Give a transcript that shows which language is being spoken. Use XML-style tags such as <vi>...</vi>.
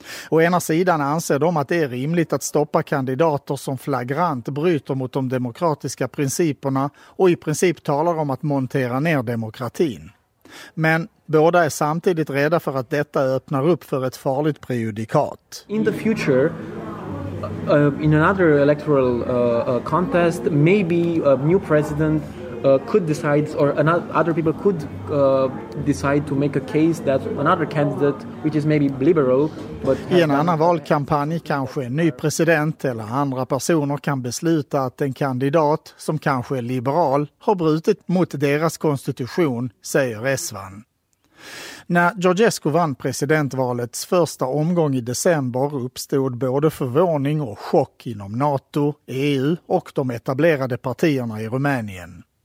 <sv>Å ena sidan anser de att det är rimligt att stoppa kandidater som flagrant bryter mot de demokratiska principerna och i princip talar om att montera ner demokratin. Men båda är samtidigt rädda för att detta öppnar upp för ett farligt prejudikat.</sv> <en>In the future, in another electoral contest, maybe a new president could decide, or other people could decide to make a case that another candidate, which is maybe liberal, but</en> <sv>i en annan valkampanj kanske en ny president eller andra personer kan besluta att en kandidat som kanske är liberal har brutit mot deras konstitution, säger Resvan. När Georgescu vann presidentvalets första omgång i december uppstod både förvåning och chock inom NATO, EU och de etablerade partierna i Rumänien.</sv>